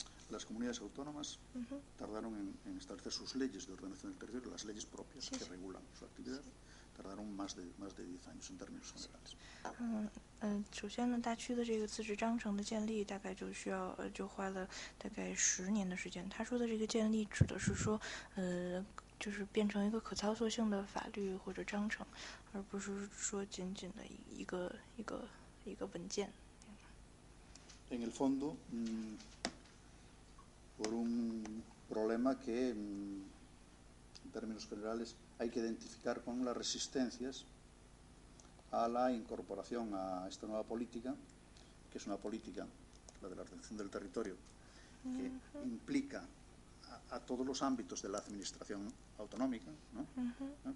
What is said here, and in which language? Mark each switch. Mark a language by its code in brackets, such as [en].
[es] Las comunidades autónomas tardaron en establecer sus leyes de ordenación del territorio, las leyes propias que regulan su actividad. Tardaron más de 10 años en términos generales. [zh] 首先呢，大区的这个自治章程的建立大概就花了大概10年的时间。他说的这个建立指的是说，就是变成一个可操作性的法律或者章程，而不是说仅仅的一个文件。 [es] En el fondo, por un problema que en términos generales hay que identificar con las resistencias a la incorporación a esta nueva política, que es una política, la de la ordenación del territorio, que implica a todos los ámbitos de la administración autonómica, ¿no? ¿No?